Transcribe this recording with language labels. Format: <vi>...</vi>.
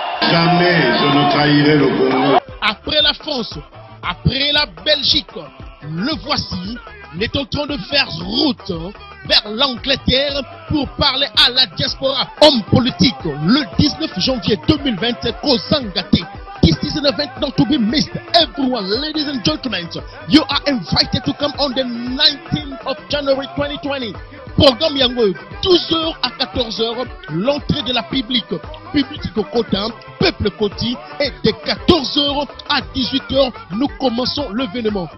<fr>Jamais je ne trahirai le Congo. Après la France, après la Belgique, le voici, n'est en train de faire route vers l'Angleterre pour parler à la diaspora. Homme politique, le 19 janvier 2027, Kosangate.</fr> <en>This is an event not to be missed. Everyone, ladies and gentlemen, you are invited to come on the 19th of January 2020.</en> <fr>Programme Yango, 12h à 14h, l'entrée de la publique, publique Cotin, peuple Coty, et de 14h à 18h, nous commençons l'événement.</fr>